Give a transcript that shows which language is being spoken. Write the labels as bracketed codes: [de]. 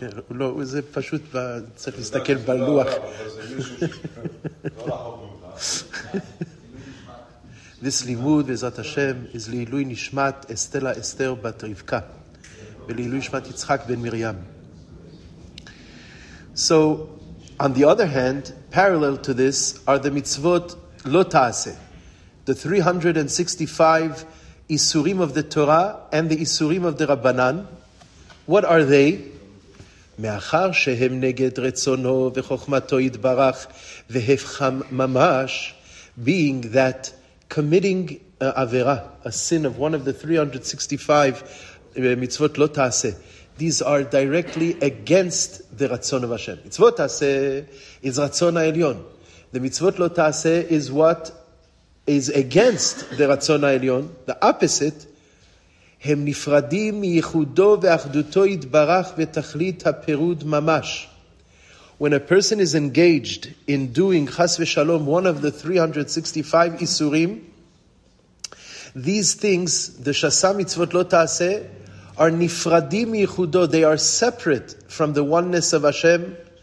[he] לא, זה פשוט צריך להסתכל בלוח. This לימוד, בעזרת השם, is לעילוי נשמת אסטלה אסתר בת רבקה, ולעילוי נשמת יצחק בן מרים. [en] So, on the other hand, parallel to this, are the mitzvot לא תעשה. The 365 איסורים of the Torah and the איסורים of the Rabbanan. What are they? [he] מאחר שהם נגד רצונו וחוכמתו יתברך והפחם ממש, [en] being that committing עבירה, a sin of one of the 365 מצוות לא תעשה, these are directly against the רצון of Hashem. [he] מצוות תעשה is רצון העליון. [en] The מצוות לא תעשה is what is against the רצון העליון, the opposite. [he] הם נפרדים מייחודו ואחדותו יתברך ותכלית הפירוד ממש. [en] When a person is engaged in doing חס ושלום one of the 365 איסורים, these things, the שסה מצוות לא תעשה, are [he] נפרדים מייחודו, [en] they are separate from the oneness of Hashem,